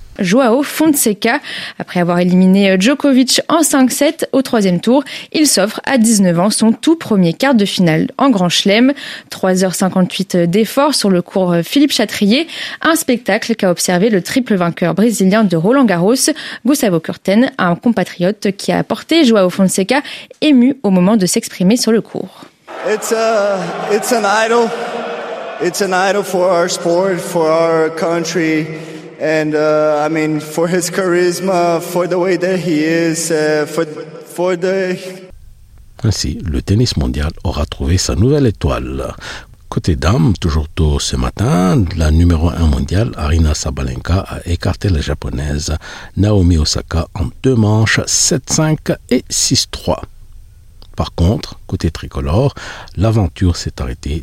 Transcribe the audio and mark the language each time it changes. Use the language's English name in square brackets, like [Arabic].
[French] Joao Fonseca, après avoir éliminé Djokovic en 5-7 au troisième tour, il s'offre à 19 ans son tout premier quart de finale en Grand Chelem. 3h58 d'effort sur le court Philippe Châtrier, un spectacle qu'a observé le triple vainqueur brésilien de Roland-Garros, Gustavo Kuerten, un compatriote qui a apporté Joao Fonseca ému au moment de s'exprimer sur le court. [English] It's an idol for our sport, for our country. And for his charisma, for the way that he is, for the... [French] Ainsi, le tennis mondial aura trouvé sa nouvelle étoile. Côté dames, toujours tôt ce matin, la numéro 1 mondiale, Arina Sabalenka, a écarté la japonaise Naomi Osaka en deux manches, 7-5 et 6-3. Par contre, côté tricolore, l'aventure s'est arrêtée.